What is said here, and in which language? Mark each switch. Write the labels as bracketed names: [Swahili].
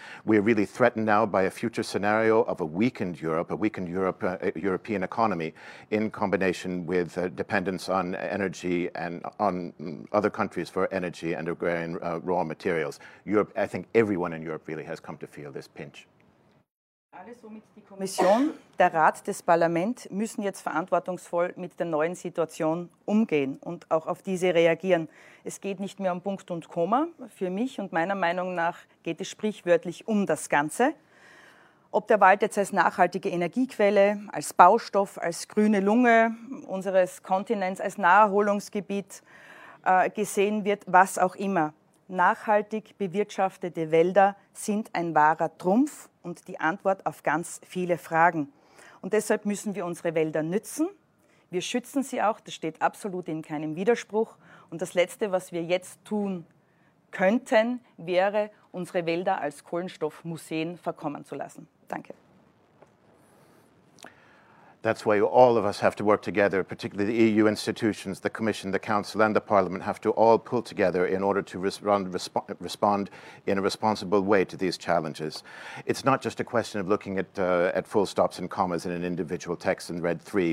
[English] We are really threatened now by a future scenario of a weakened European economy in combination with dependence on energy and on other countries for energy and agrarian raw materials. Europe, I think everyone in Europe really has come to feel this pinch. [German] Die Kommission, der Rat, das Parlament müssen jetzt verantwortungsvoll mit der neuen Situation umgehen und auch auf diese reagieren. Es geht nicht mehr um Punkt und Komma. Für mich und meiner Meinung nach geht es sprichwörtlich um das Ganze. Ob der Wald jetzt als nachhaltige Energiequelle, als Baustoff, als grüne Lunge unseres Kontinents, als Naherholungsgebiet gesehen wird, was auch immer. Nachhaltig bewirtschaftete Wälder sind ein wahrer Trumpf und die Antwort auf ganz viele Fragen. Und deshalb müssen wir unsere Wälder nützen. Wir schützen sie auch, das steht absolut in keinem Widerspruch. Und das Letzte, was wir jetzt tun könnten, wäre, unsere Wälder als Kohlenstoffmuseen verkommen zu lassen. Danke. [English] That's why all of us have to work together, particularly the EU institutions, the Commission, the Council and the Parliament have to all pull together in order to respond in a responsible way to these challenges. It's not just a question of looking at full stops and commas in an individual text in Red 3.